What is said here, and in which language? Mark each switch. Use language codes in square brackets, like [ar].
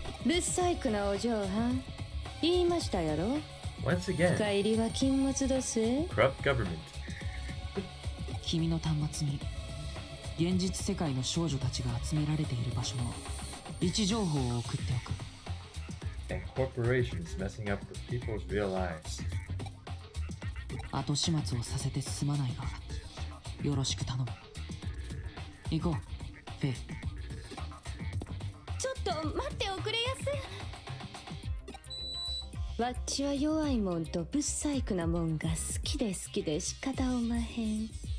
[ja] 不細工なお嬢はん、言いましたやろ。 [en] Once again, [ja] 深入りは禁物どす。 [en] Corrupt government. [ja] 君の端末に現実世界の少女たちが集められている場所の位置情報を送っておく。 [en] And corporations messing up with people's real lives. [ja] 後始末をさせてすまないが、よろしく頼む。行こう、フェイ。ちょっと待っておくれやす。わっちは弱いもんと不細工なもんが好きで好きで仕方おまへん。